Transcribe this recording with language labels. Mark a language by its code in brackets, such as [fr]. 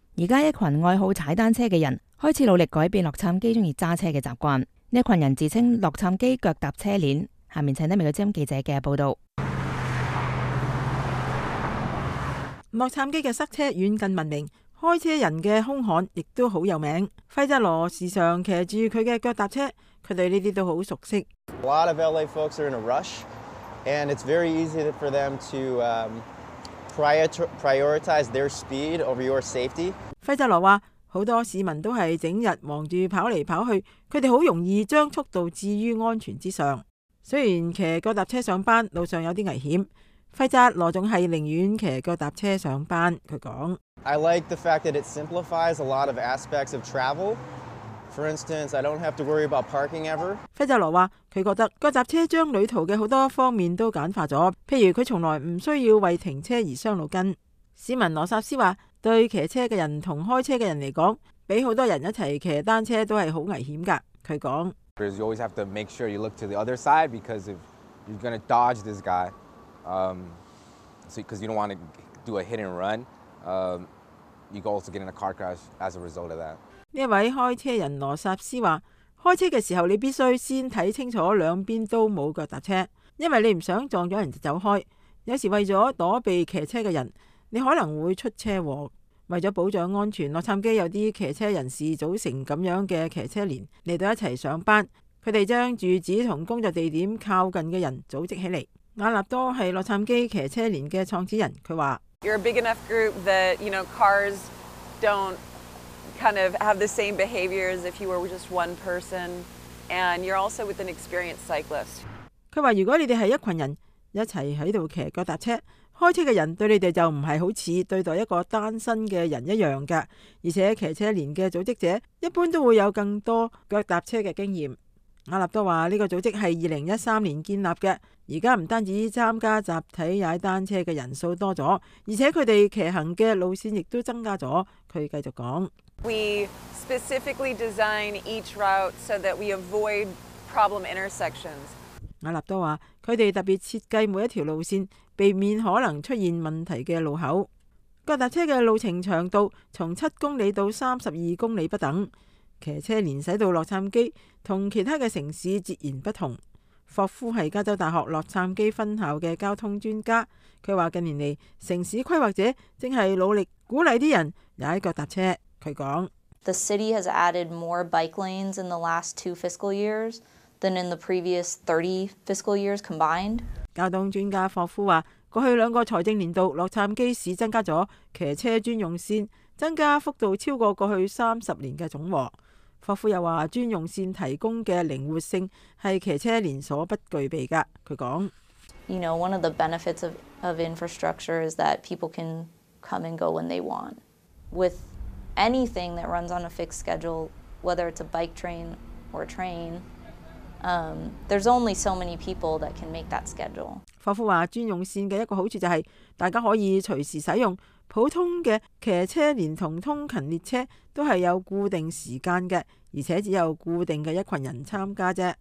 [zh] 现在一群爱好踩单车的人开始努力改变洛杉矶喜欢揸车的习惯，这群人自称洛杉矶脚踏车链。下面请美国之音记者的报道。洛杉矶的塞车远近闻名，开车人的凶悍亦都很有名。费泽罗时常骑住他的脚踏车，他对这些都很熟悉。 [en] A lot of LA folks are in a rush, and it's very easy for them to prioritize their speed over your safety. [zh] 费泽罗说，很多市民都是整日忙着跑来跑去，他们很容易将速度置于安全之上。虽然骑脚踏车上班路上有点危险，费泽罗总是宁愿骑脚踏车上班，他说。 [en] I like the fact that it simplifies a lot of aspects of travel. For instance, I don't have to worry about parking ever. [zh] 费泽罗说，他觉得脚踏车将旅途的很多方面都简化了，譬如他从来不需要为停车而伤脑筋。市民罗萨斯说，对骑车的人和开车的人来说，比很多人一起骑单车都是很危险的，他说。 [en] You always have to make sure you look to the other side because if you're going to dodge this guy, because you don't want to do a hit and run, you could also get in a car crash as a result of that. [zh] 这位开车人罗萨斯说，开车的时候你必须先看清楚两边都没有脚踏车，因为你不想撞了人就走开。有时为了躲避骑车的人，你可能会出车祸。为了保障安全，洛杉矶有些骑车人士组成这样的骑车连来到一起上班，他们将住址和工作地点靠近的人组织起来。亚纳多是洛杉矶骑车连的创始人，他说， [en] You're a big enough group that, you know, cars don't kind of have the same behavior as if you were just one person, and you're also with an experienced cyclist. [zh] 他说，如果你们是一群人一起在这里骑脚踏车，开车的人对你们就不是好像对待一个单身的人一样的，而且骑车连的组织者一般都会有更多脚踏车的经验。亚纳多说，这个组织是2013年建立的，现在不单止参加集体踩单车的人数多了，而且他们骑行的路线也都增加了，他继续说。 [en] We specifically design each route so that we avoid problem intersections. [zh] 亚纳多说，他们特别设计每一条路线，避免可能出现问题的路口。脚踏车的路程长度从7公里到32公里不等，骑车连驶到洛杉矶和其他的城市截然不同。霍夫是加州大学洛杉矶分校的交通专家，他说近年来城市规划者正是努力鼓励人踩脚踏车。他说， [en] The city has added more bike lanes in the last two fiscal years than in the previous 30 fiscal years combined。 [zh] 交通专家霍夫说，过去两个财政年度，洛杉矶市增加了骑车专用线，增加幅度超过过去30年的总和。霍夫又说，专用线提供的灵活性是骑车连锁不具备的。他说， [en] You know, one of the benefits of infrastructure is that people can come and go when they want. With anything that runs on a fixed schedule, whether it's a bike train or a train,there's only so many people that can make that schedule. [zh] 霍夫说，专用线的一个好处就是大家可以随时使用，普通的骑车连同通勤列车都是有固定时间的，而且只有固定的一群人参加。